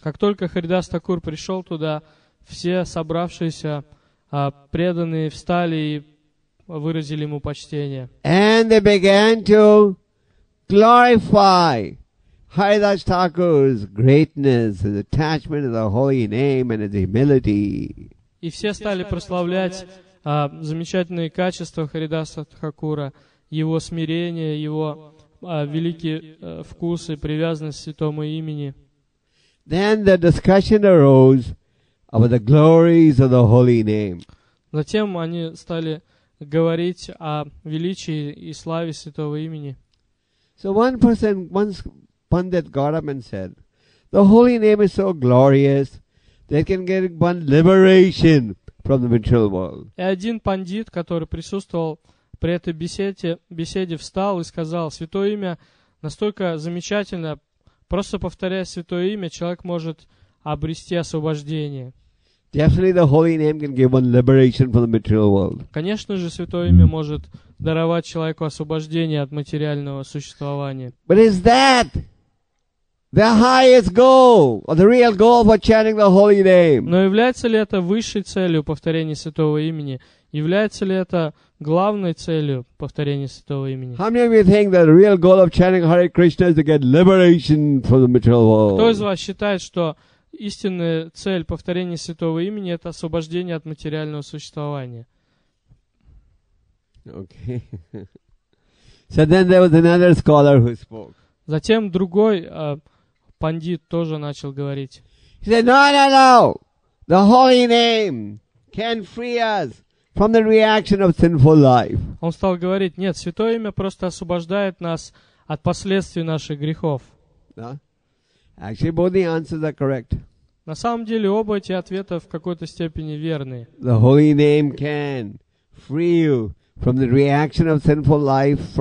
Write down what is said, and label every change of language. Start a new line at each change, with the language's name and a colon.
Russian: Как только Харидас Такур пришел туда, все собравшиеся преданные встали и выразили ему почтение.
English: And they began to glorify Haridas Thakur's greatness, his attachment to the holy name and his humility.
Russian: И все стали прославлять замечательные качества Харидаса Такура, его смирение, его великий вкус и привязанность к святому имени.
English: Then the discussion arose about the glories of the holy name.
Russian: Затем они стали говорить о величии и славе святого имени.
English: So one person, one pundit got up and said, the holy name is so glorious that it can get one liberation from the material world.
Russian: И один пандит, который присутствовал при этой беседе, встал и сказал, святое имя настолько замечательно, просто повторяя святое имя, человек может обрести освобождение.
English: Definitely the holy name can give one liberation from the material world.
Russian: Конечно же, святое имя может даровать человеку освобождение от материального существования.
English: But is that the highest goal, or the real goal for chanting the holy name?
Russian: Но является ли это высшей целью повторения святого имени? Является ли это главной целью повторения святого имени?
English: How many of you think that the real goal of chanting Hare Krishna is to get liberation from the material world?
Russian: Кто из вас считает, что истинная цель повторения святого имени — это освобождение от материального существования?
English: Okay. So then there was another scholar who spoke.
Russian: Затем другой пандит тоже начал говорить.
English: He said, "No, no, no! The holy name can free us from the reaction of sinful life."
Russian: Он стал говорить: "Нет, святое имя просто освобождает нас от последствий наших грехов."
English: Да. Actually, both the answers are correct.
Russian: На самом деле, оба эти ответа в какой-то степени верны.
English: The holy name can free you from the reaction of sinful life.